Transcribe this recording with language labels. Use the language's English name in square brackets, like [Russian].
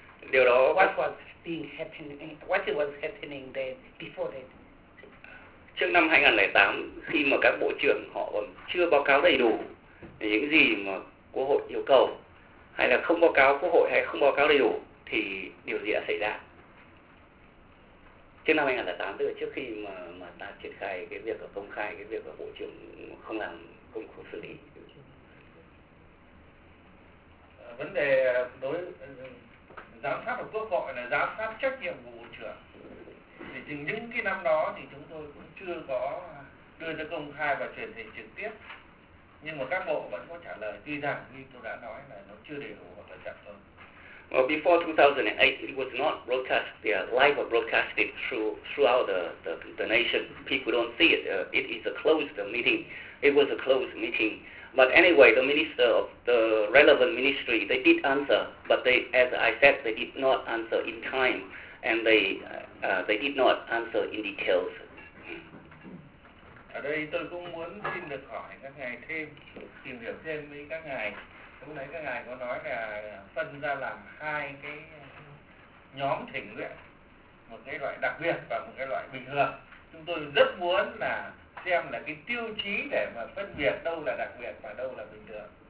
[Vietnamese] Điều đó [English] what was being happening, what was happening there before that? [Vietnamese] Trước năm 2008, khi mà các bộ trưởng họ còn chưa báo cáo đầy đủ những gì mà Quốc hội yêu cầu, hay là không báo cáo Quốc hội hay không báo cáo đầy đủ, thì điều gì đã xảy ra? Trước năm 2008, tức là trước khi mà ta triển khai cái việc là công khai, cái việc là bộ trưởng không làm, không xử lý. Vấn đề đối với giám sát của Quốc hội là giám sát trách nhiệm của bộ trưởng. Thì những cái năm đó thì chúng tôi cũng chưa có đưa ra công khai và truyền hình trực tiếp, nhưng mà các bộ vẫn có trả lời, tuy rằng như tôi đã nói là nó chưa đầy đủ và thật chặt hơn. [English] Well, before 2008, it was not broadcast, yeah, live or broadcasted throughout the nation. People don't see it. It is a closed meeting. It was a closed meeting. But anyway, the minister of the relevant ministry, they did answer, but they, as I said, they did not answer in time, and they did not answer in details. [Vietnamese] Ở đây tôi cũng muốn xin được hỏi các ngài thêm, tìm hiểu thêm với các ngài. Lúc nãy các ngài có nói là phân ra làm hai cái nhóm thỉnh nguyện, một cái loại đặc biệt và một cái loại bình thường. Chúng tôi rất muốn là xem là cái tiêu chí để mà phân biệt đâu là đặc biệt và đâu là bình thường.